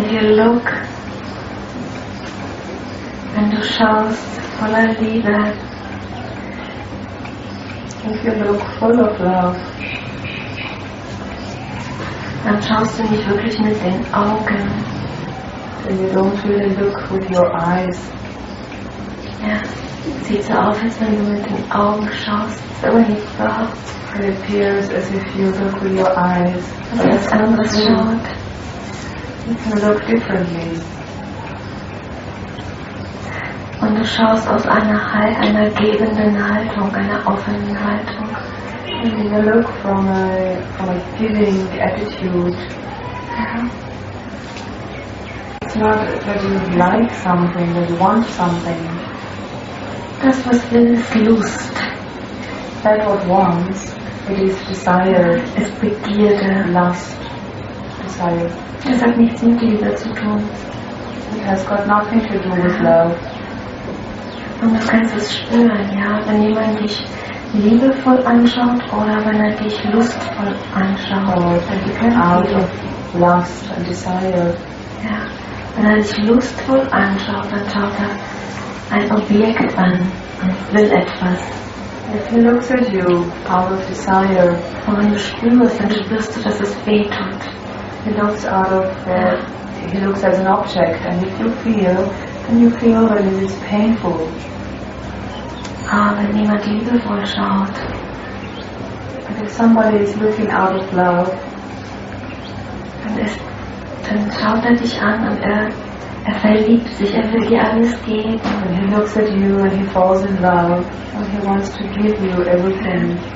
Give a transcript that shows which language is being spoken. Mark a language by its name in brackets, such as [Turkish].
[English] If you look, [German] wenn du schaust, voller Liebe. [English] If you look, full of love. [German] Dann schaust du nicht wirklich mit den Augen. Then you don't really look with your eyes. Ja, sieht so aus, als wenn du mit den Augen schaust. Ist aber nicht wahr. [English] It appears as if you look with your eyes. [German] Also das andere schaut. [English] You can look differently. [German] Und du schaust aus einer gebenden Haltung, einer offenen Haltung. [English] Giving a look from a giving attitude. Yeah. It's not that you like something, that you want something. [German] Das was will ist Lust. [English] That what wants, it is desire. [German] Es begierde. Lust. Desire. Es hat nichts mit Liebe zu tun. [English] It has got nothing to do with love. [German] Und du kannst es spüren, ja, wenn jemand dich liebevoll anschaut oder wenn er dich lustvoll anschaut. [English] Oh, like out of lust and desire. [German] Ja, wenn er dich lustvoll anschaut, dann schaut er ein Objekt an und will etwas. [English] If he looks at you out of desire, [German] und wenn du spürst, dann spürst du, dass es weh tut. [English] He looks out of he looks as an object, and if you feel, then you feel that it is painful. [German] Ah, wenn jemand liebevoll schaut. [English] And if somebody is looking out of love, [German] dann schaut er dich an und er verliebt sich, er will dir alles geben. [English] And he looks at you and he falls in love and he wants to give you everything.